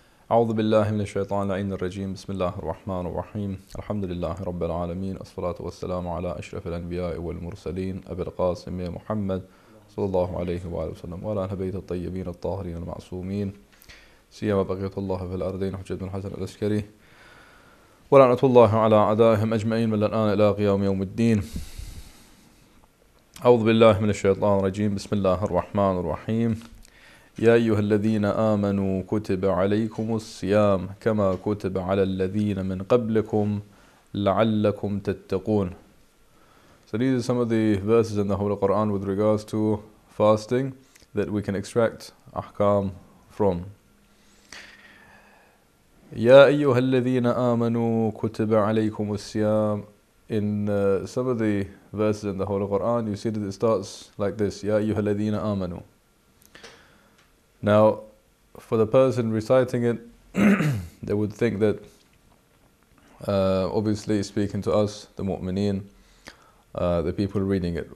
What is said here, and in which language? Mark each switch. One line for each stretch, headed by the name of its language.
Arabic: أعوذ بالله من الشيطان العين الرجيم بسم الله الرحمن الرحيم الحمد لله رب العالمين الصلاة والسلام على أشرف الأنبياء والمرسلين أبي القاسم محمد صلى الله عليه وآله وسلم وعلى أهل بيت الطيبين الطاهرين المعصومين سيما بقية الله في الأرضين حجة بن الحسن العسكري ولعنة الله على أعدائهم أجمعين من الآن إلى قيام يوم الدين. أعوذ بالله من الشيطان الرجيم بسم الله الرحمن الرحيم يا أيها الذين آمنوا كتب عليكم الصيام كما كتب على الذين من قبلكم لعلكم تتقون.
English: So these are some of the verses in the Holy Quran with regards to fasting that we can extract ahkam from.
Arabic: يا أيها الذين آمنوا كتب عليكم الصيام.
English: In some of the verses in the Holy Quran, you see that it starts like this:
Arabic: يا أيها الذين آمنوا.
English: Now, for the person reciting it, they would think that obviously speaking to us, the mu'mineen, the people reading it.